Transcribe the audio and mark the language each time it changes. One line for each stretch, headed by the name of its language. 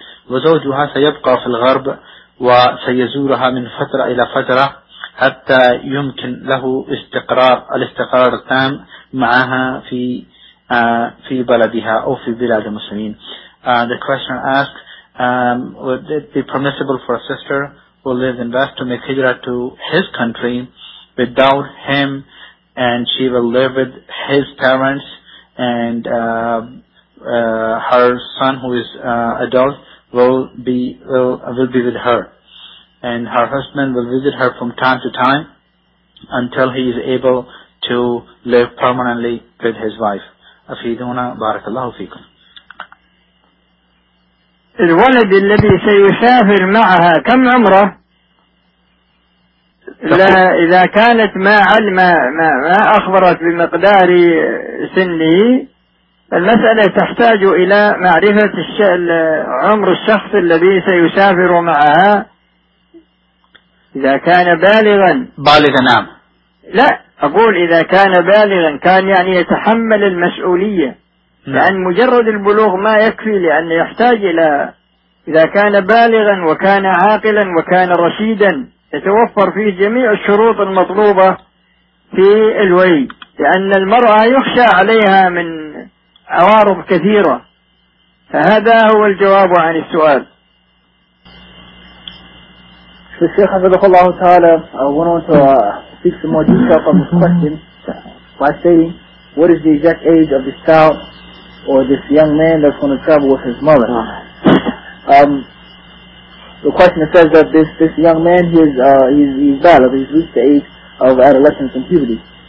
Arabic: وزوجها سيبقى في الغرب وسيزورها من فترة إلى فترة حتى يمكن له الاستقرار التام معها في بلدها أو في بلاد المسلمين.
English: The question asked, would it be permissible for a sister who lives in West to make hijrah to his country without him, and she will live with his parents and her son who is adult will be with her, and her husband will visit her from time to time until he is able to live permanently with his wife.
Arabic: Afiduna barakallahu fikum. الولد الذي سيسافر معها كم عمره؟ لا إذا كانت ما أخبرت بمقدار سنه المسألة تحتاج إلى معرفة عمر الشخص الذي سيسافر معها إذا كان بالغا. بالغا نعم. لا أقول إذا كان بالغا كان يعني يتحمل المسؤولية لأن مجرد البلوغ ما يكفي لأن يحتاج إلى إذا كان بالغا وكان عاقلا وكان رشيدا يتوفر فيه جميع الشروط المطلوبة في الولي لأن المرأة يخشى عليها من عوارض كثيرة فهذا هو الجواب عن السؤال.
English: The Shaykh Hafizahu Allah Ta'ala went on to speak some more detail on this question by stating, what is the exact age of this child or this young man that's going to travel with his mother? The question says that this young man, he's valid, he's reached the age of adolescence and puberty.